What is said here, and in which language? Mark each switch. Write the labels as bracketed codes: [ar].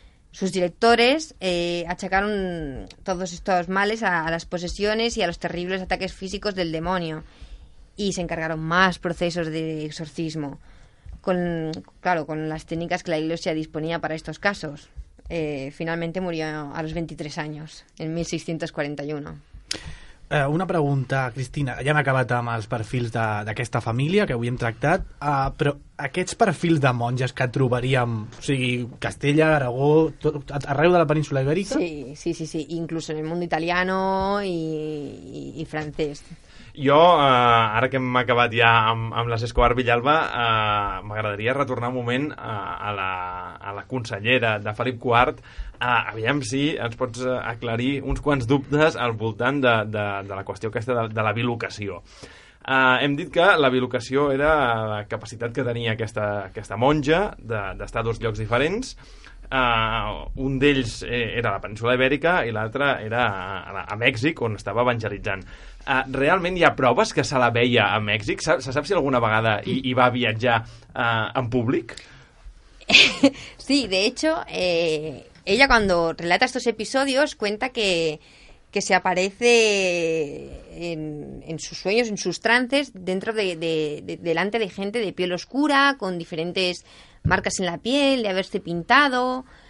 [es] Sus directores achacaron todos estos males a las posesiones y a los terribles ataques físicos del demonio y se encargaron más procesos de exorcismo, con las técnicas que la iglesia disponía para estos casos. Finalmente murió a los 23 años, en 1641. Una pregunta, Cristina. [ca] Ja hem acabat amb els perfils d'aquesta família que avui hem tractat, però aquests perfils de monges que trobaríem, o sigui, Castella, Aragó, tot, arreu de la península Ibèrica? Sí. [es] Incluso en el mundo italiano y francés. [ca] Jo, ara que hem acabat ja amb les Escobar Villalba, m'agradaria retornar un moment a la consellera de Felip IV. Aviam si ens pots aclarir uns quants dubtes al voltant de la qüestió aquesta de la bilocació. Hem dit que la bilocació era la capacitat que tenia aquesta monja d'estar a dos llocs diferents. Un d'ells era la península Ibèrica i l'altre era a Mèxic, on estava evangelitzant. Realment hi ha proves que se la veia a Mèxic? Se sap si alguna vegada hi va viatjar en públic? [es] Sí, de hecho, ella cuando relata estos episodios cuenta que se aparece en sus sueños, en sus trances, dentro de delante de gente de piel oscura, con diferentes marcas en la piel, de haberse pintado.